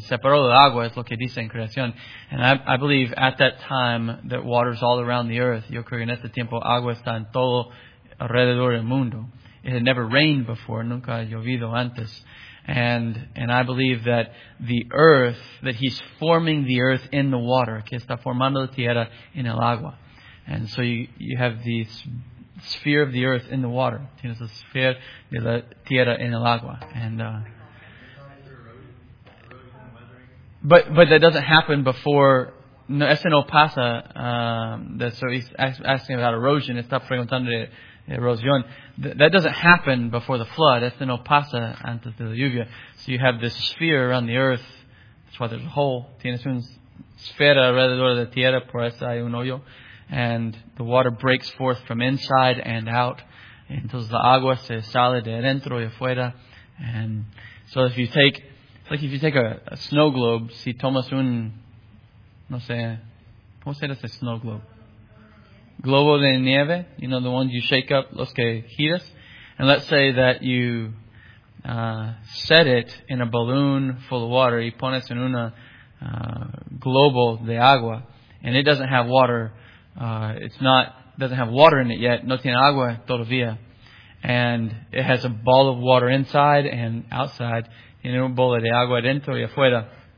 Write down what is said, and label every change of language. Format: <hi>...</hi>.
<es>Separó el agua es lo que dice en creación.</es> <en>And I believe at that time that water's all around the earth.</en> <es>Yo creo que en este tiempo agua está en todo alrededor del mundo.</es> <en>It had never rained before.</en> <es>Nunca llovido antes.</es> <en>And I believe that the earth, that he's forming the earth in the water.</en> <es>Que está formando la tierra en el agua.</es> <en>And so you have the sphere of the earth in the water.</en> <es>Tienes la sphere de la tierra en el agua.</es> <en>But that doesn't happen before.</en> <es>No, eso no pasa.</es> <en>So he's asking about erosion.</en> <es>Está preguntando de erosión.</es> <en>That doesn't happen before the flood.</en> <es>Eso no pasa antes de la lluvia.</es> <en>So you have this sphere around the earth. That's why there's a hole.</en> <es>Tienes una esfera alrededor de la tierra. Por eso hay un hoyo.</es> <en>And the water breaks forth from inside and out.</en> <es>Entonces la agua se sale de adentro y afuera.</es> <en>And so if you take, like if you take a snow globe,</en> <es>si tomas un, no sé, ¿cómo se dice</es> <en>snow globe?</en> <es>Globo de nieve,</es> <en>you know, the ones you shake up,</en> <es>los que giras.</es> <en>And let's say that you set it in a balloon full of water,</en> <es>y pones en una globo de agua,</es> <en>and it doesn't have water, doesn't have water in it yet,</en> <es>no tiene agua todavía.</es> <en>And it has a ball of water inside and outside.</en> <es>Tiene una bola de agua dentro y afuera.</es>